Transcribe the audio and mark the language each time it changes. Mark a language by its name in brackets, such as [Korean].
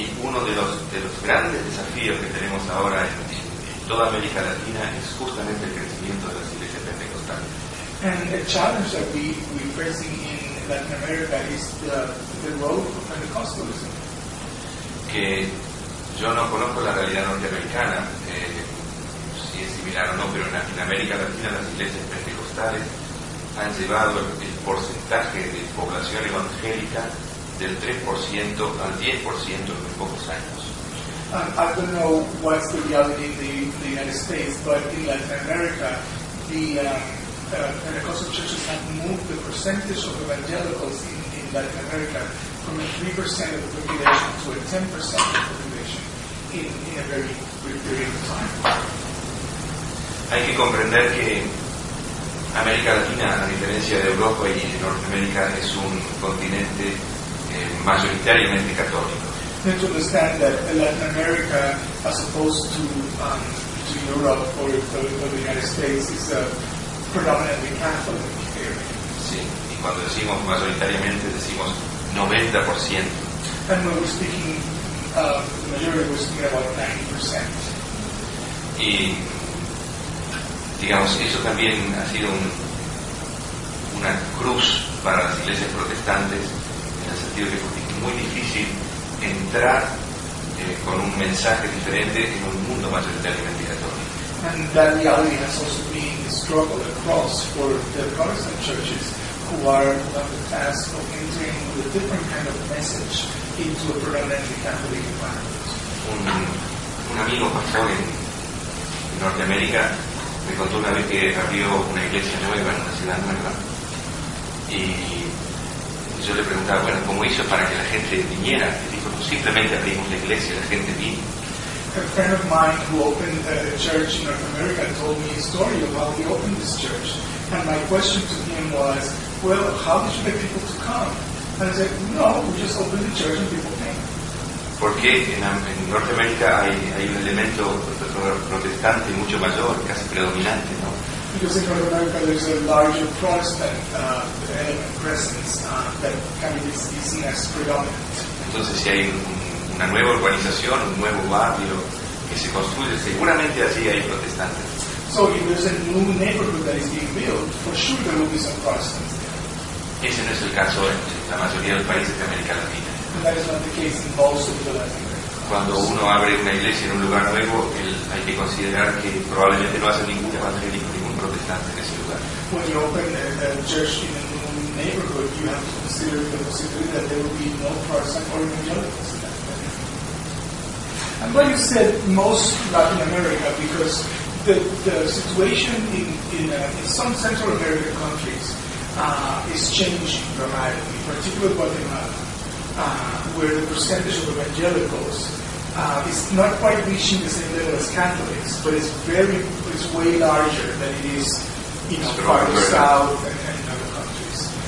[Spanish] Y uno de los grandes desafíos que tenemos ahora en toda América Latina es justamente el crecimiento de las iglesias pentecostales. [English] And a challenge that we're facing in Latin America is the role of Pentecostalism. [Spanish] Que yo no conozco la realidad norteamericana, si es similar o no, pero en América Latina las iglesias pentecostales han llevado el porcentaje de población evangélica del 3% al 10% en muy pocos años. [English] I don't know what's the reality in the United States, but in Latin America, the Pentecostal churches have moved the percentage of evangelicals in Latin America from a 3% of the population to a 10% of the population in a very brief period of time. [Spanish] Hay que comprender que América Latina, a diferencia de Europa y de Norteamérica, es un continente mayoritariamente católico. [English] You need to understand that Latin America, as opposed to Europe or the United States, is a predominantly Catholic area. [Spanish] Sí, y cuando decimos mayoritariamente, decimos 90%. [English] And when we're speaking, the majority was speaking about 90%. [Spanish] Y, digamos, eso también ha sido una cruz para las iglesias protestantes, en el sentido de que es muy difícil entrar con un mensaje diferente en un mundo mayoritariamente católico. [English] And that reality has also been the struggle across for the Protestant churches who are on the task of entering with a different kind of message into a predominantly Catholic environment. [Spanish] Un amigo pastor en Norteamérica me contó una vez que abrió una iglesia nueva en una ciudad nueva. Y yo le preguntaba, bueno, ¿cómo hizo para que la gente viniera? Y dijo, pues simplemente abrimos la iglesia y la gente vino. [English] A friend of mine who opened a church in North America told me a story of how he opened this church. And my question to him was, well, how did you get people to come? And I said, no, we just opened the church and people came. [Spanish] Porque en Norte América hay un elemento protestante mucho mayor, casi predominante, ¿no? [English] Because in North America there is a larger Protestant presence that can be seen as predominant. [Spanish] Entonces si hay una nueva urbanización, un nuevo barrio que se construye, seguramente así hay protestantes. [English] So if there's a new neighborhood that is being built, for sure there will be some Protestants there. [Spanish] Ese no es el caso en la mayoría de los países de América Latina. [English] That is not the case in most of the Latin America. [Spanish] Cuando uno abre una iglesia en un lugar nuevo, hay que considerar que probablemente no hace ningún evangélico, ningún protestante en ese lugar. [English] When you open a church in a new neighborhood, you have to consider the possibility that there will be no Protestant or evangelicals. I'm glad you said most Latin America, because the situation in some Central American countries is changing dramatically, particularly Guatemala, where the percentage of evangelicals is not quite reaching the same level as Catholics, but it's way larger than it is in the South and other countries.